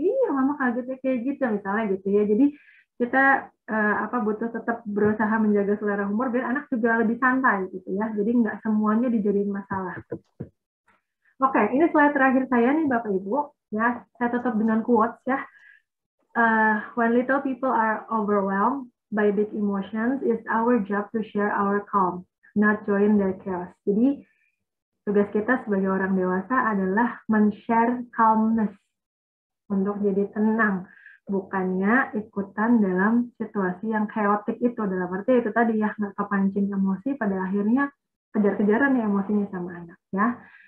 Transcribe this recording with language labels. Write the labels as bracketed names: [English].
[Indonesian] "Iya mama kagetnya kayak gitu," misalnya gitu ya. Jadi kita apa butuh tetap berusaha menjaga selera humor biar anak juga lebih santai gitu ya. Jadi nggak semuanya dijadiin masalah. Oke, ini slide terakhir saya nih Bapak Ibu. Ya, saya tetap dengan quotes ya. [English] "When little people are overwhelmed by big emotions, it's our job to share our calm, not join their chaos." [Indonesian] Jadi tugas kita sebagai orang dewasa adalah men-share calmness untuk jadi tenang, bukannya ikutan dalam situasi yang chaotic itu. Dalam arti itu tadi ya, nggak kepancing emosi, pada akhirnya kejar-kejaran ya emosinya sama anak ya.